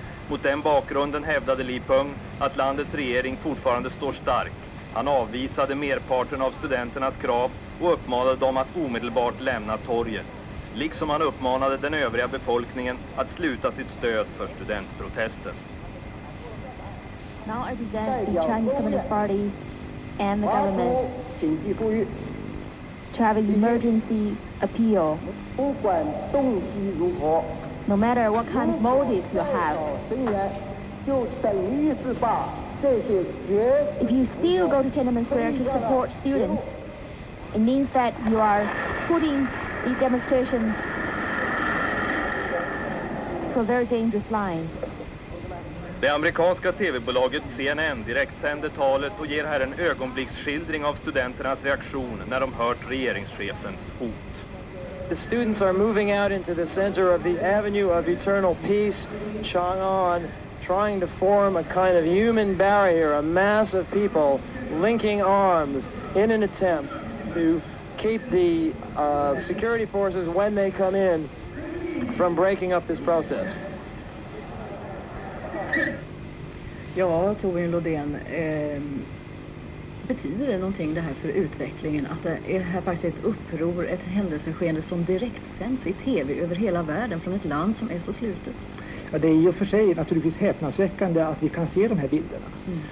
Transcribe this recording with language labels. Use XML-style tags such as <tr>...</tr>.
<sv>Mot den bakgrunden hävdade Li Peng att landets regering fortfarande står stark. Han avvisade merparten av studenternas krav och uppmanade dem att omedelbart lämna torget. Liksom han uppmanade den övriga befolkningen att sluta sitt stöd för studentprotesten.</sv> <en>Now I present the Chinese Communist Party and the government to have an emergency appeal. No matter what kind of motives you have, if you still go to Tiananmen Square to support students, it means that you are putting the demonstration to a very dangerous line.</en> <sv>Det amerikanska tv-bolaget CNN direktsände talet och ger här en ögonblicksskildring av studenternas reaktion när de hört regeringschefens hot.</sv> <en>The students are moving out into the center of the Avenue of Eternal Peace, Chang'an, trying to form a kind of human barrier, a mass of people linking arms in an attempt to keep the security forces when they come in from breaking up this process.</en> <sv>Ja, Torbjörn Lodén, betyder det någonting det här för utvecklingen att det är här faktiskt ett uppror, ett händelseskeende som direkt sänds i tv över hela världen från ett land som är så slutet? Ja, det är ju för sig naturligtvis häpnadsväckande att vi kan se de här bilderna. Mm.</sv>